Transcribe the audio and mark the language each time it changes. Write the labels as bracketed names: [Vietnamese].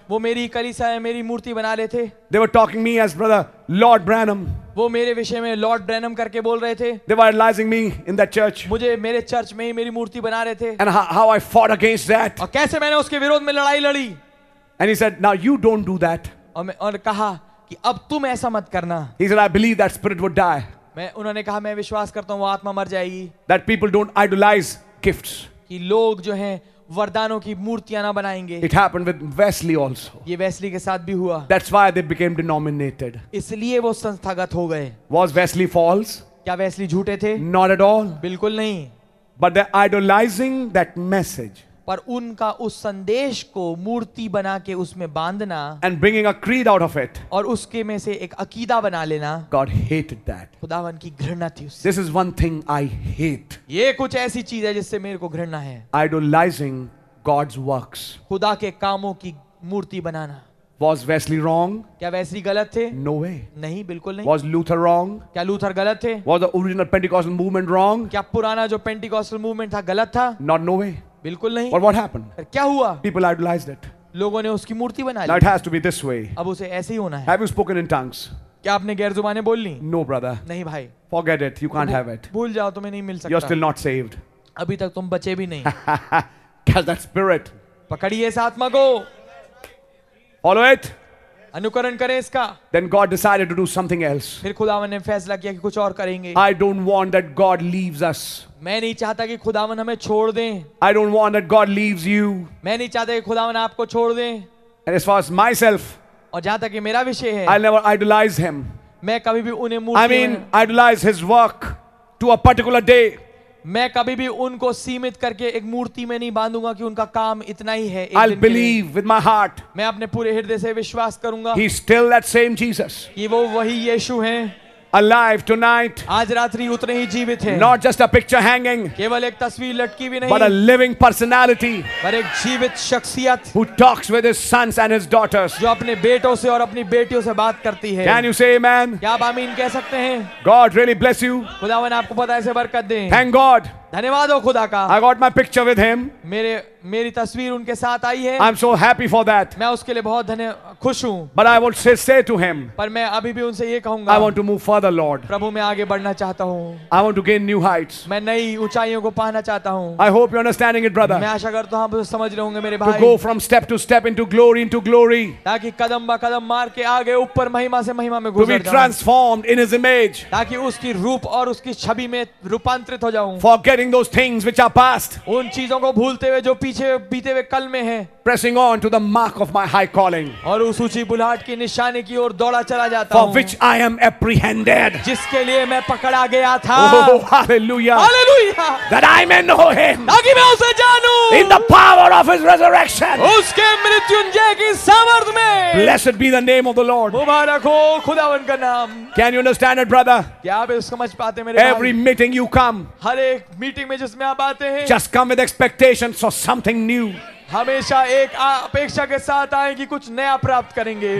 [Hindi] वो मेरी कलीसिया में मेरी मूर्ति बना रहे थे. [English] They were talking me as brother Lord Branham. [Hindi] वो मेरे विषय में लॉर्ड ब्रैनम करके बोल रहे थे. [English] They were idolizing me in that church. [Hindi] मुझे मेरे चर्च में ही मेरी मूर्ति बना रहे थे. [English] And how I fought against that. [Hindi] और कैसे मैंने उसके विरोध में लड़ाई लड़ी. [English] And he said, "Now you don't do that." [Hindi] और कहा कि अब तुम ऐसा मत करना. [English] He said, "I believe that spirit would die." [Hindi] मैं उन्होंने कहा मैं विश्वास करता हूँ वो आत्मा मर जाएगी. [English] That people don't idolize gifts. [Hindi] कि लोग जो हैं वरदानों की मूर्तियाँ ना बनाएंगे. [English] It happened with Wesley also. [Hindi] ये वेस्ली के साथ भी हुआ. [English] That's why they became denominated. [Hindi] इसलिए वो संस्थागत हो गए. [English] Was Wesley false? [Hindi] क्या वेस्ली झूठे थे? [English] Not at all. [Hindi] बिल्कुल नहीं. [English] But they're idolizing that message. [Hindi] पर उनका उस संदेश को मूर्ति बना के उसमें बांधना. [English] And bringing a creed out of it. [Hindi] और उसके में से एक अकीदा बना लेना. [English] God hated that. [Hindi] खुदावन की घृणा थी उससे. [English] This is one thing I hate. [Hindi] ये कुछ ऐसी चीज है जिससे मेरे को घृणा है. [English] Idolising God's works. [Hindi] खुदा के कामों की मूर्ति बनाना. [English] Was Wesley wrong? [Hindi] क्या वेस्ली गलत थे? [English] No way. [Hindi] नहीं बिल्कुल नहीं. [English] Was Luther wrong? [Hindi] क्या लूथर गलत थे? [English] Was the original Pentecostal movement wrong? [Hindi] क्या पुराना जो [English] Pentecostal movement [Hindi] था गलत था? [English] Not no way. [Hindi] बिल्कुल नहीं. [English] But what happened? [Hindi] पर क्या हुआ? [English] People idolized it. [Hindi] लोगों ने उसकी मूर्ति बना ली. [English] Now it has to be this way. [Hindi] अब उसे ऐसे ही होना है. [English] Have you spoken in tongues? [Hindi] क्या आपने गैर जुबानें बोल ली? [English] No brother. [Hindi] नहीं भाई. [English] Forget it. You can't have it. [Hindi] भूल जाओ तुम्हें नहीं मिल सकता. [English] You're still not saved. [Hindi] अभी तक तुम बचे भी नहीं. [English] Catch that spirit. [Hindi] पकड़िए इस आत्मा को. [English] Follow it. [Hindi] अनुकरण करें इसका. [English] Then God decided to do something else. [Hindi] फिर खुदावन ने फैसला किया कि कुछ और करेंगे. [English] I don't want that God leaves us. [Hindi] मैं नहीं चाहता कि खुदावन हमें छोड़ दें. [English] I don't want that God leaves you. [Hindi] मैं नहीं चाहता कि खुदावन आपको छोड़ दें. [English] And as far as myself. [Hindi] और जहां तक कि मेरा विषय है. [English] I'll never idolize him. [Hindi] मैं कभी भी उन्हें [English] idolize his work to a particular day. [Hindi] मैं कभी भी उनको सीमित करके एक मूर्ति में नहीं बांधूंगा कि उनका काम इतना ही है. [English] I'll believe with my heart. [Hindi] मैं अपने पूरे हृदय से विश्वास करूंगा. [English] He's still that same Jesus. [Hindi] कि वो वही यीशु हैं. [English] Alive tonight. [Hindi] आज रात्रि उतने ही जीवित हैं. [English] Not just a picture hanging. [Hindi] केवल एक तस्वीर लटकी भी नहीं. [English] But a living personality. [Hindi] पर एक जीवित शख्सियत. [English] Who talks with his sons and his daughters. [Hindi] जो अपने बेटों से और अपनी बेटियों से बात करती है. [English] Can you say amen? [Hindi] क्या आप आमीन कह सकते हैं? [English] God really bless you. [Hindi] खुदावन आपको बधाई से बरकत दे. [English] Thank God. [Hindi] धन्यवाद हो खुदा का. [English] I got my picture with him. [Hindi] मेरे मेरी तस्वीर उनके साथ आई है. [English] I'm so happy for that. [Hindi] मैं उसके लिए बहुत धन्य खुश हूँ. [English] But I will say to him. [Hindi] पर मैं अभी भी उनसे ये कहूँगा. [English] I want to move further, Lord. [Hindi] प्रभु मैं आगे बढ़ना चाहता हूँ. [English] I want to gain new heights. [Hindi] मैं नई ऊंचाइयों को पाना चाहता हूँ. [English] I hope you're understanding it, brother. [Hindi] मैं आशा करता हूँ आप समझ रहे होंगे मेरे [English] भाई. To go from step to step into glory, [Hindi] ताकि कदम ब कदम मार के आगे ऊपर महिमा से महिमा में गुजर [English] जाऊँ. To be transformed in His image. [Hindi] ताकि उसकी रूप और उसकी छवि में रूपांतरित हो जाऊँ. [English] Forgetting those things which are past. [Hindi] उन चीजों को भूलते हुए जो पीछे बीते हुए कल में है. [English] Pressing on to the mark of my high calling. [Hindi] और उस ऊंची बुलाहट की निशाने की ओर दौड़ा चला जाता [English] हूँ. For which I am apprehended. [Hindi] जिसके लिए मैं पकड़ा गया था. [English] Oh, hallelujah. Hallelujah. That I may know Him. [Hindi] ताकि मैं उसे जानूं. [English] In the power of His resurrection. [Hindi] उसके मृत्युंजय की सामर्थ में. [English] Blessed be the name of the Lord. [Hindi] मुबारक हो खुदावन का नाम. [English] Can you understand it, brother? [Hindi] क्या आप इसको समझ पाते मेरे [English] भाई? Every meeting you come. [Hindi] हर एक मीटिंग में जिसमें आप आते हैं. [English] Just come with expectations for something new. [Hindi] हमेशा एक अपेक्षा के साथ आए कि कुछ नया प्राप्त करेंगे.